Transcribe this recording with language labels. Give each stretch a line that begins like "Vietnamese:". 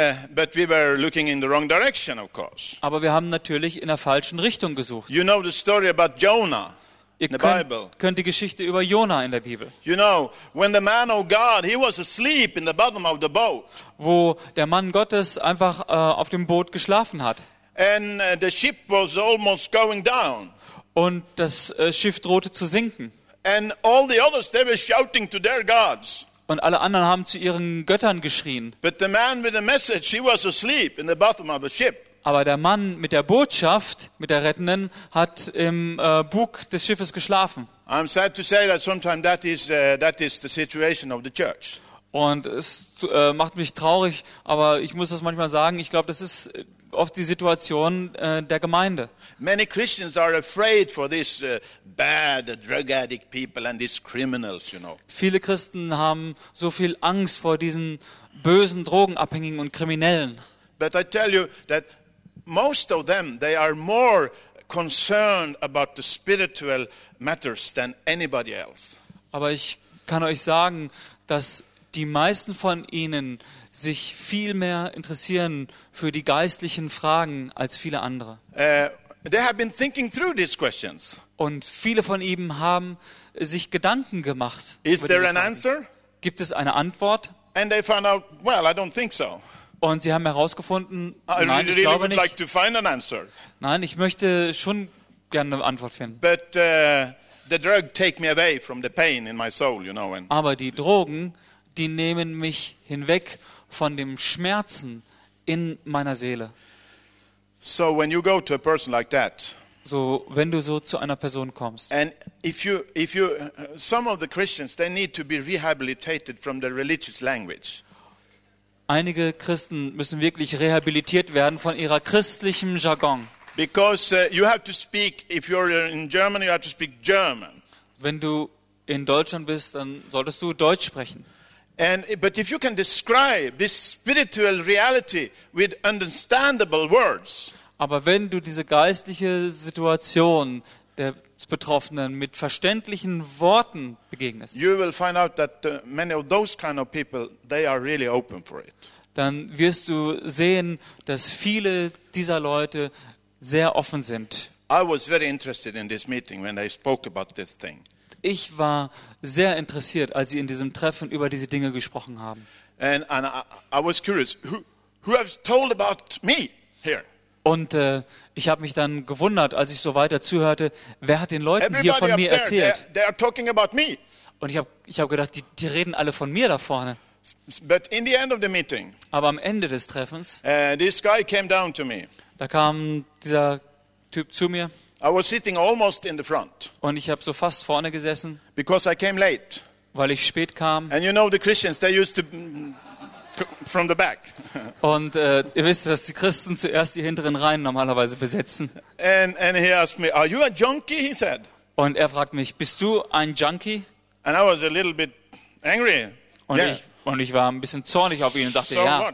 English: But we were looking in the wrong direction, of course.
German: Aber wir haben natürlich in der falschen Richtung gesucht.
English: You know the story about Jonah in the Bible.
German: Kennt die Geschichte über Jonah in der Bibel?
English: You know, when the man of God, he was asleep in the bottom of the boat.
German: Wo der Mann Gottes einfach auf dem Boot geschlafen hat.
English: And the ship was almost going down.
German: Und das Schiff drohte zu sinken.
English: And all the others, they were shouting to their gods.
German: Und alle anderen haben zu ihren Göttern geschrien.
English: But the man with the message, he was asleep in the bottom of the ship.
German: Aber der Mann mit der Botschaft, mit der Rettenden, hat im Bug des Schiffes geschlafen.
English: I'm sad to say that sometimes that is the situation of the church.
German: Und es macht mich traurig, aber ich muss das manchmal sagen. Ich glaube, das ist oft die Situation der Gemeinde.
English: Many Christians are afraid for these bad drug addict people and these criminals, you know.
German: Viele Christen haben so viel Angst vor diesen bösen Drogenabhängigen und Kriminellen.
English: But I tell you that most of them, they are more concerned about the spiritual matters than anybody else.
German: Aber ich kann euch sagen, dass die meisten von ihnen sich viel mehr interessieren für die geistlichen Fragen als viele andere.
English: They have been thinking through these questions.
German: Und viele von ihnen haben sich Gedanken gemacht.
English: Is there an answer?
German: Gibt es eine Antwort?
English: And they found out, well, I don't think so.
German: Und sie haben herausgefunden, nein, ich glaube nicht.
English: Like to find an answer.
German: Nein, ich möchte schon gerne eine Antwort finden.
English: But the drug take me away from the pain in my soul, you know.
German: Aber die Drogen, die nehmen mich hinweg von dem Schmerzen in meiner Seele.
English: So when you go to a person like that.
German: So wenn du so zu einer Person kommst.
English: And if you some of the Christians, they need to be rehabilitated from the religious language.
German: Einige Christen müssen wirklich rehabilitiert werden von ihrer christlichen Jargon.
English: Because you have to speak, if you're in Germany, you have to speak German.
German: Wenn du in Deutschland bist, dann solltest du Deutsch sprechen.
English: And but if you can describe this spiritual reality with understandable words.
German: Aber wenn du diese geistliche Situation der Betroffenen mit verständlichen Worten begegnest,
English: you will find out that many of those kind of people, they are really open for it.
German: Dann wirst du sehen, dass viele dieser Leute sehr offen sind.
English: I was very interested in this meeting when they spoke about this thing.
German: Ich war sehr interessiert, als sie in diesem Treffen über diese Dinge gesprochen haben.
English: And I was curious, who has told about me here?
German: Und ich habe mich dann gewundert, als ich so weiter zuhörte, wer hat den Leuten Everybody hier von mir there, erzählt?
English: They are talking about me.
German: Und ich hab gedacht, die reden alle von mir da vorne.
English: But in the end of the meeting,
German: aber am Ende des Treffens,
English: this guy came down to me.
German: Da kam dieser Typ zu mir.
English: I was sitting almost in the front.
German: Und ich habe so fast vorne gesessen.
English: Because I came late.
German: Weil ich spät kam.
English: And you know the Christians, they used to from the back.
German: Und ihr wisst, dass die Christen zuerst die hinteren Reihen normalerweise besetzen.
English: And he asked me, "Are you a junkie?" he said.
German: Und er fragt mich, "Bist du ein Junkie?"
English: And I was a little bit angry.
German: Und yeah. ich war ein bisschen zornig auf ihn und dachte, so ja.